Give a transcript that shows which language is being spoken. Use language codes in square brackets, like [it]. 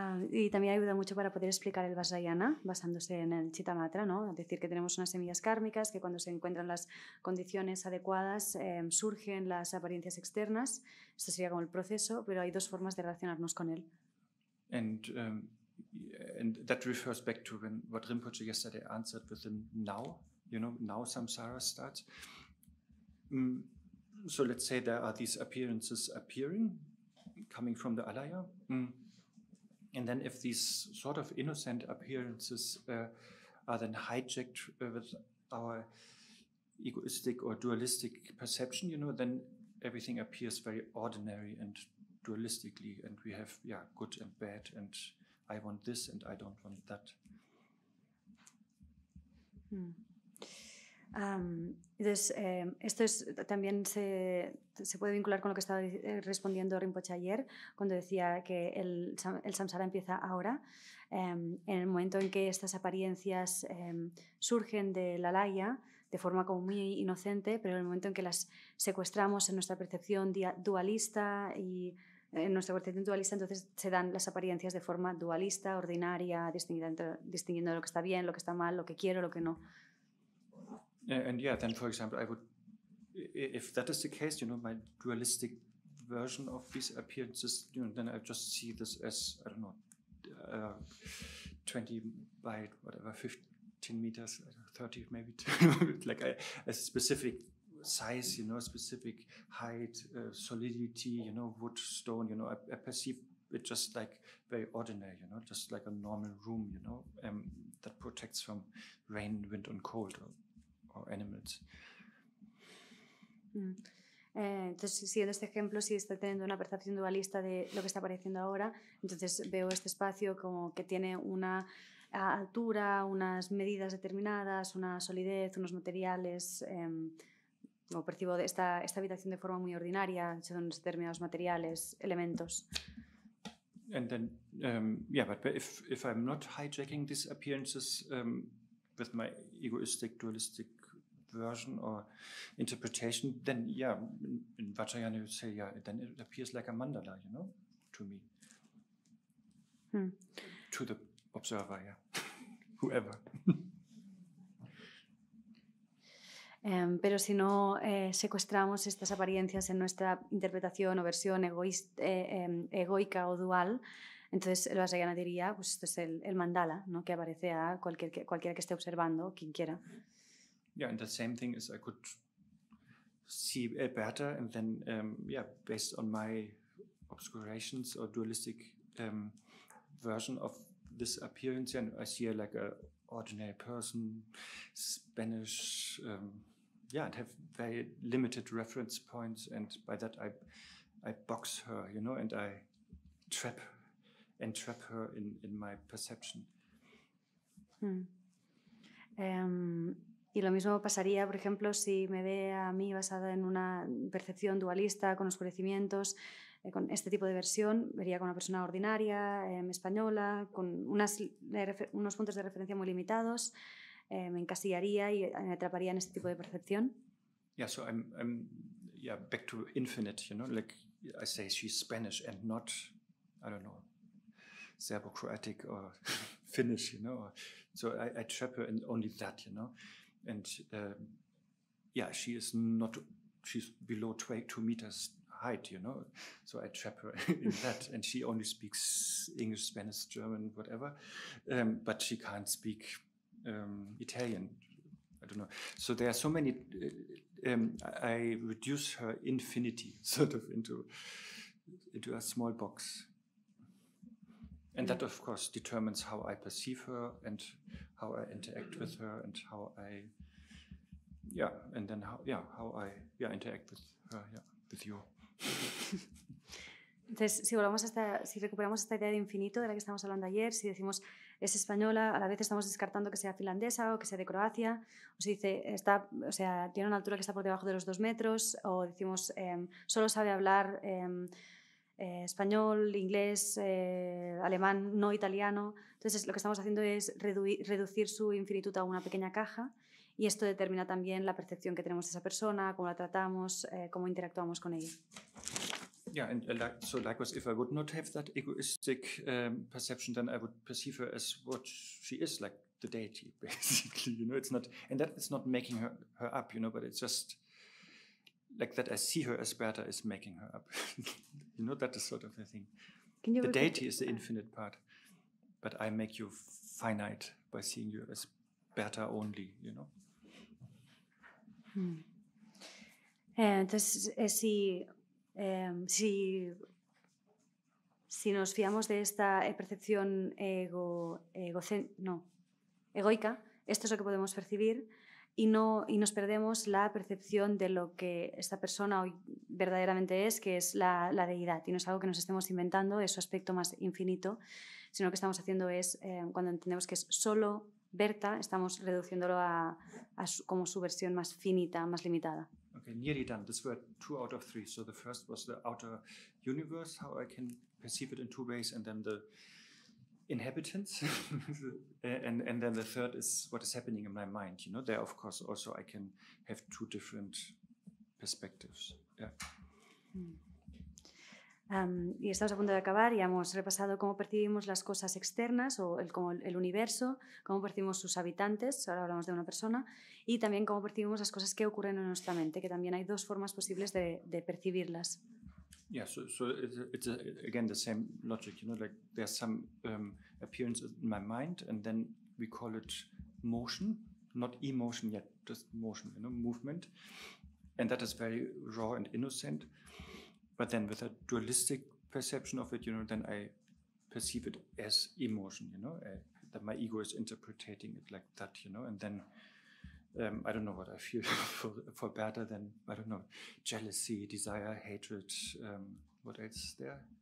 [es] Y también ayuda mucho para poder explicar el Vajrayana basándose en el Chitamatra, ¿no? Es decir, que tenemos unas semillas kármicas que cuando se encuentran las condiciones adecuadas surgen las apariencias externas. Esto sería como el proceso, pero hay dos formas de relacionarnos con él. [en] And that refers back to what Rinpoche yesterday answered with the now, you know, now samsara starts. So let's say there are these appearances appearing, coming from the alaya. And then if these sort of innocent appearances are then hijacked with our egoistic or dualistic perception, you know, then everything appears very ordinary and dualistically, and we have good and bad, and I want this and I don't want that. [es] Entonces, esto es, también se puede vincular con lo que estaba respondiendo Rinpoche ayer, cuando decía que el samsara empieza ahora. En el momento en que estas apariencias surgen de la laya, de forma como muy inocente, pero en el momento en que las secuestramos en nuestra percepción dualista y en nuestra percepción dualista, entonces se dan las apariencias de forma dualista, ordinaria, distinguiendo lo que está bien, lo que está mal, lo que quiero, lo que no. [en] And yeah, then for example, I would, if that is the case, you know, my dualistic version of these appearances, you know, then I just see this as, I don't know, 20 by whatever, 15 meters, 30 maybe, like a specific size, you know, specific height, solidity, you know, wood, stone, you know, I perceive it just like very ordinary, you know, just like a normal room, you know, that protects from rain, wind and cold or animals. Mm. [es] Entonces, siguiendo este ejemplo, si está teniendo una percepción dualista de lo que está apareciendo ahora, entonces veo este espacio como que tiene una altura, unas medidas determinadas, una solidez, unos materiales, o percibo esta habitación de forma muy ordinaria, según determinados materiales, elementos. [en] And then, yeah, but if I'm not hijacking these appearances with my egoistic, dualistic version or interpretation, then yeah, in Vajrayana you say, yeah, then it appears like a mandala, you know, to me. Hmm. To the observer, yeah. Whoever. [es] Pero si no secuestramos estas apariencias en nuestra interpretación o versión egoica o dual, entonces el Vajrayana diría, pues esto es el mandala, ¿no? Que aparece a cualquiera que esté observando, quien quiera. [en] Yeah, and the same thing is I could see better, and then yeah, based on my obscurations or dualistic version of this appearance, and I see like an ordinary person, Spanish, yeah, and have very limited reference points, and by that I box her, you know, and I entrap her in my perception. Hmm. [es] Y lo mismo pasaría, por ejemplo, si me ve a mí basada en una percepción dualista, con oscurecimientos, con este tipo de versión, vería con una persona ordinaria, española, con unos puntos de referencia muy limitados, me encasillaría y me atraparía en este tipo de percepción. [en] Yeah, so I'm yeah, back to infinite, you know, like I say she's Spanish and not, I don't know, Serbo-Croatic or Finnish, you know, so I trap her in only that, you know. And yeah, she is not, she's below 2 meters height, you know, so I trap her in that, and she only speaks English, Spanish, German, whatever, but she can't speak Italian, I don't know. So there are so many, I reduce her infinity sort of into a small box. And that, of course, determines how I perceive her and how I interact with her and how I, yeah, and then how, yeah, how I, yeah, interact with her, yeah, with you. [es] Entonces, si recuperamos esta idea de infinito de la que estamos hablando ayer, si decimos es española, a la vez estamos descartando que sea finlandesa o que sea de Croacia, o si dice, está, o sea, tiene una altura que está por debajo de los 2 metros, o decimos, solo sabe hablar español, inglés, alemán, no italiano. Entonces, lo que estamos haciendo es reducir su infinitud a una pequeña caja, y esto determina también la percepción que tenemos de esa persona, cómo la tratamos, cómo interactuamos con ella. [en] Yeah, and so likewise, if I would not have that egoistic perception, then I would perceive her as what she is, like the deity, basically. You know, it's not, and that is not making her up, you know, but it's just like that I see her as Bertha is making her up. You know, that is sort of the thing. The deity is the infinite part, but I make you finite by seeing you as Bertha only, you know. [es] Entonces, si nos fiamos de esta percepción egoica, esto es lo que podemos percibir, y nos perdemos la percepción de lo que esta persona verdaderamente es, que es la deidad, y no es algo que nos estemos inventando, es su aspecto más infinito, sino lo que estamos haciendo es, cuando entendemos que es solo Berta, estamos reduciéndolo como su versión más finita, más limitada. [en] Okay, nearly done. These were 2 out of 3. So the first was the outer universe, how I can perceive it in 2 ways, and then the inhabitants. and then the third is what is happening in my mind. You know, there, of course, also I can have 2 different perspectives. Yeah. Mm. [es] Y estamos a punto de acabar y hemos repasado cómo percibimos las cosas externas o el universo, cómo percibimos sus habitantes, ahora hablamos de una persona, y también cómo percibimos las cosas que ocurren en nuestra mente, que también hay 2 formas posibles de percibirlas. [en] Yeah, so it's again the same logic, you know, like there's some appearance in my mind and then we call it motion, not emotion yet, just motion, you know, movement. And that is very raw and innocent. But then with a dualistic perception of it, you know, then I perceive it as emotion, you know, that my ego is interpreting it like that, you know, and then I don't know what I feel for better than, I don't know, jealousy, desire, hatred, what else there?